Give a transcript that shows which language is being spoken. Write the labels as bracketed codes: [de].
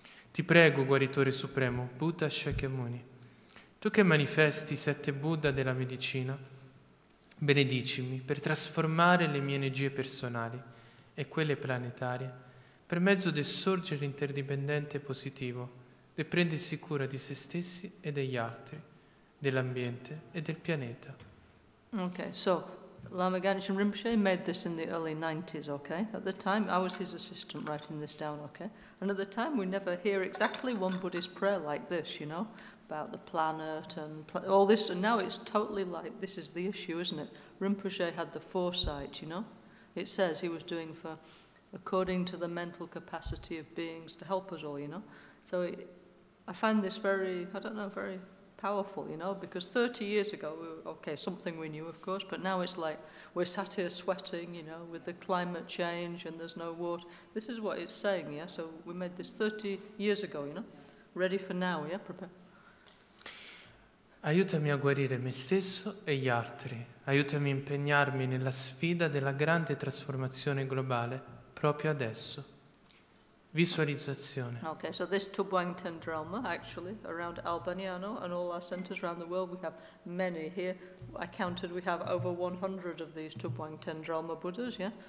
[it] Ti prego, guaritore supremo, Buddha Shakyamuni, tu che manifesti 7 Buddha della medicina, benedicimi per trasformare le mie energie personali e quelle planetarie per mezzo del sorgere interdipendente positivo del prendersi cura di se stessi e degli altri, dell'ambiente e del pianeta. [en] Ok, so Lama Ganshin Rinpoche made this in the early 90s, okay? At the time, I was his assistant writing this down, okay? And at the time, we never hear exactly one Buddhist prayer like this, you know, about the planet and all this. And now it's totally like, this is the issue, isn't it? Rinpoche had the foresight, you know? It says he was doing for, according to the mental capacity of beings to help us all, you know? So I find this very, I don't know, very powerful, you know, because 30 years ago, we were, okay, something we knew, of course, but now it's like we're sat here sweating, you know, with the climate change and there's no water. This is what it's saying, yeah? So we made this 30 years ago, you know? Ready for now, yeah? Prepare. [it] Aiutami a guarire me stesso e gli altri. Aiutami a impegnarmi nella sfida della grande trasformazione globale proprio adesso. Visualizzazione. [en] Okay, so this Tubuangten drama, actually, around Albagnano and all our centers around the world, we have many here. I counted we have over 100 of these Tubuangten drama Buddhas, yeah?